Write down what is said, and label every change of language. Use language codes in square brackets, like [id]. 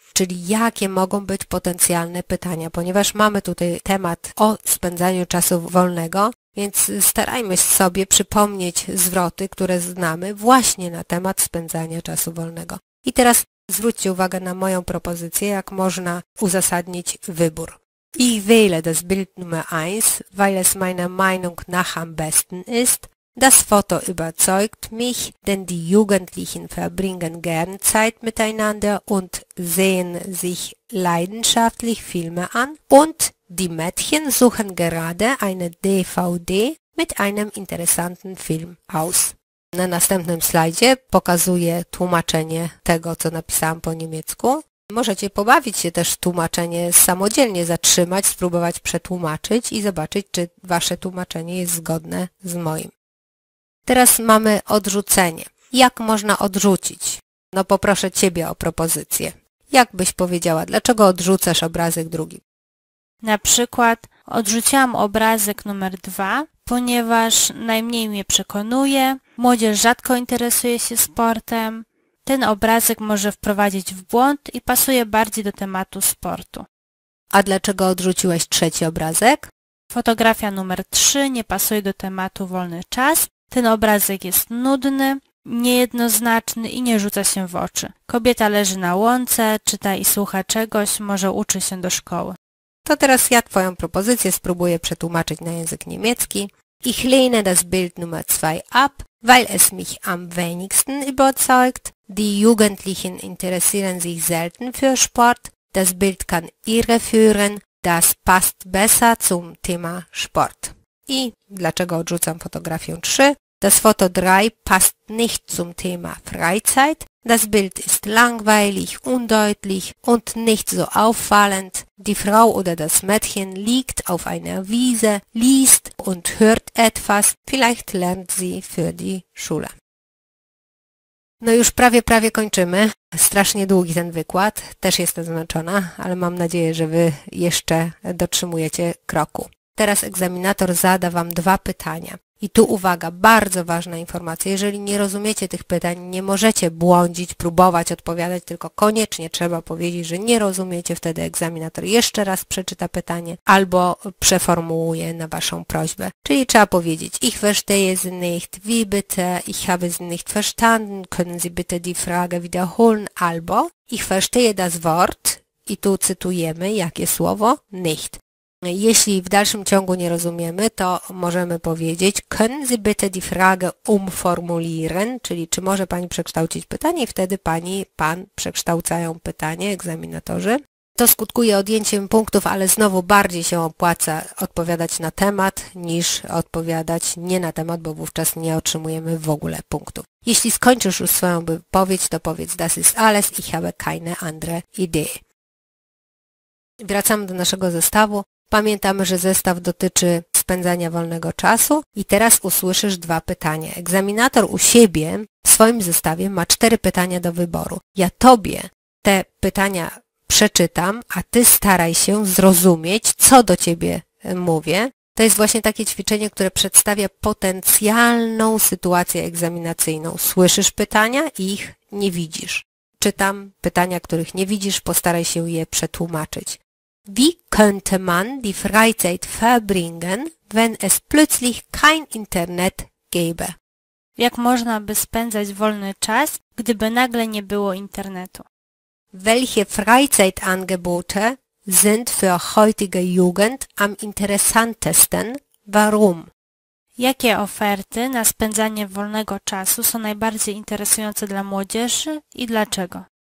[pl] Czyli jakie mogą być potencjalne pytania, ponieważ mamy tutaj temat o spędzaniu czasu wolnego, więc starajmy sobie przypomnieć zwroty, które znamy właśnie na temat spędzania czasu wolnego. I teraz zwróćcie uwagę na moją propozycję, jak można uzasadnić wybór. [de] Ich wähle das Bild Nummer 1, weil es meiner Meinung nach am besten ist. Das Foto überzeugt mich, denn die Jugendlichen verbringen gern Zeit miteinander und sehen sich leidenschaftlich Filme an. Und die Mädchen suchen gerade eine DVD mit einem interessanten Film aus. [pl] Na następnym slajdzie pokazuję tłumaczenie tego, co napisałam po niemiecku. Możecie pobawić się też tłumaczenie samodzielnie, zatrzymać, spróbować przetłumaczyć i zobaczyć, czy wasze tłumaczenie jest zgodne z moim. Teraz mamy odrzucenie. Jak można odrzucić? No poproszę Ciebie o propozycję. Jak byś powiedziała, dlaczego odrzucasz obrazek drugi? Na przykład odrzuciłam obrazek numer 2, ponieważ najmniej mnie przekonuje, młodzież rzadko interesuje się sportem, Ten obrazek może wprowadzić w błąd i pasuje bardziej do tematu sportu. A dlaczego odrzuciłeś trzeci obrazek? Fotografia numer 3 nie pasuje do tematu wolny czas. Ten obrazek jest nudny, niejednoznaczny i nie rzuca się w oczy. Kobieta leży na łące, czyta i słucha czegoś, może uczy się do szkoły. To teraz ja twoją propozycję spróbuję przetłumaczyć na język niemiecki. [de] Ich lehne das Bild Nummer 2 ab, weil es mich am wenigsten überzeugt. Die Jugendlichen interessieren sich selten für Sport. Das Bild kann irreführen. Das passt besser zum Thema Sport. [pl] I dlaczego odrzucam fotografię 3? [de] Das Foto 3 passt nicht zum Thema Freizeit. Das Bild ist langweilig, undeutlich und nicht so auffallend. Die Frau oder das Mädchen liegt auf einer Wiese, liest und hört etwas. Vielleicht lernt sie für die Schule. [pl] No już prawie kończymy. Strasznie długi ten wykład. Też jestem zmęczona, ale mam nadzieję, że wy jeszcze dotrzymujecie kroku. Teraz egzaminator zada wam dwa pytania. I tu uwaga, bardzo ważna informacja. Jeżeli nie rozumiecie tych pytań, nie możecie błądzić, próbować odpowiadać, tylko koniecznie trzeba powiedzieć, że nie rozumiecie, wtedy egzaminator jeszcze raz przeczyta pytanie albo przeformułuje na waszą prośbę. Czyli trzeba powiedzieć, [de] ich verstehe es nicht, wie bitte, ich habe es nicht verstanden, können Sie bitte die Frage wiederholen, [pl] albo [de] ich verstehe das Wort, [pl] i tu cytujemy, jakie słowo, [de] nicht. [pl] Jeśli w dalszym ciągu nie rozumiemy, to możemy powiedzieć [de] können Sie bitte die Frage umformulieren, [pl] czyli czy może Pani przekształcić pytanie, i wtedy Pani, Pan przekształcają pytanie, egzaminatorzy. To skutkuje odjęciem punktów, ale znowu bardziej się opłaca odpowiadać na temat niż odpowiadać nie na temat, bo wówczas nie otrzymujemy w ogóle punktów. Jeśli skończysz już swoją wypowiedź, to powiedz [de] das ist alles, ich habe keine andere Idee. [pl] Wracamy do naszego zestawu. Pamiętamy, że zestaw dotyczy spędzania wolnego czasu i teraz usłyszysz dwa pytania. Egzaminator u siebie w swoim zestawie ma cztery pytania do wyboru. Ja tobie te pytania przeczytam, a ty staraj się zrozumieć, co do ciebie mówię. To jest właśnie takie ćwiczenie, które przedstawia potencjalną sytuację egzaminacyjną. Słyszysz pytania i ich nie widzisz. Czytam pytania, których nie widzisz, postaraj się je przetłumaczyć. [de] Wie könnte man die Freizeit verbringen, wenn es plötzlich kein Internet gäbe? [pl] Jak można by spędzać wolny czas, gdyby nagle nie było internetu? [de] Welche Freizeitangebote sind für heutige Jugend am interessantesten? Warum? [pl] Jakie oferty na spędzanie wolnego czasu są najbardziej interesujące dla młodzieży i dlaczego?